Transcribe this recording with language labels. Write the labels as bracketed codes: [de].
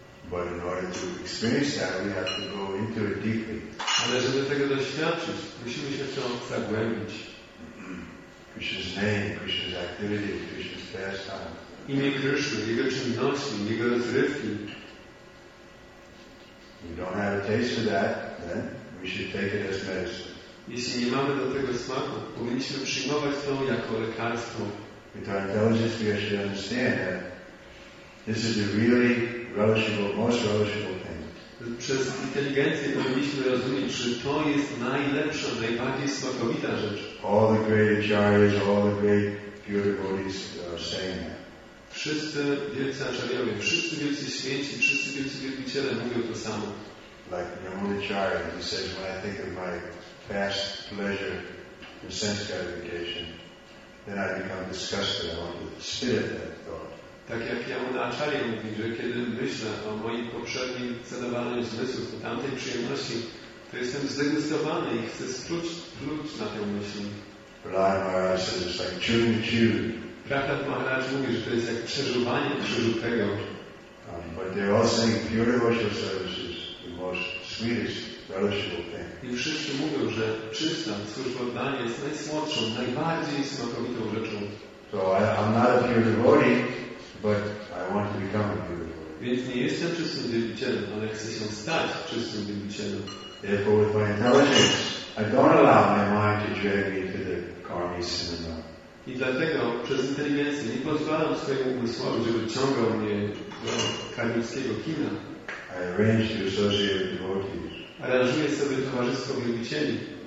[en] But in order to experience that, we have to go into it deeply. [pl] Ale żeby tego doświadczyć, musimy się w to zagłębić. [en] Krishna's name, Krishna's activity, Krishna's pastime. [pl] Imię Krishna, jego czynności, jego rozrywki. [en] We don't have a taste for that, then we should take it as medicine. [pl] Jeśli nie mamy do tego smaku, powinniśmy przyjmować to jako lekarstwo. [en] With our intelligence, we should understand that this is a really relishable, most relishable thing. [pl] Przez inteligencję powinniśmy rozumieć, że to jest najlepsza, najbardziej smakowita rzecz. [en] All the great acharyas, all the great pure devotees are saying that. [pl] Wszyscy wielcy aczariowie, wszyscy wielcy święci, wszyscy wielcy wielbiciele mówią to samo. [en] Like Ramanujacharya, he says, when I think of my past pleasure and sense gratification, then I become disgusted. I want to spit at that thought. [pl] Tak jak Ramanujacharya mówi, że kiedy myślę o moich poprzednich celebrowaniu zmysłów, o tamtej przyjemności, to jestem zdegustowany i chcę spluć na tę myśl. [en] Brahma Maharaj says it's like chewing chew. [pl] Prahlad Maharaj mówi, że to jest jak przeżuwanie przeżutego. [en] But they're all saying pure devotional service is the most sweetest, relishable thing. [pl] I wszyscy mówią, że czysta służba oddania jest najsłodszą, najbardziej smakowitą rzeczą. [en] So I'm not a pure devotee, but I want to become a pure devotee. [pl] Więc nie jestem czystym wielbicielem, ale chcę się stać czystym wielbicielem. [en] Therefore, with my intelligence, I don't allow my mind to drag me into the karmic cinema. [pl] I dlatego przez inteligencję nie pozwalam swojemu umysłowi, żeby ciągał mnie do karmickiego kina. [en] I arrange to associate with devotees. [pl] Aranżuję sobie towarzystwo wielbicieli.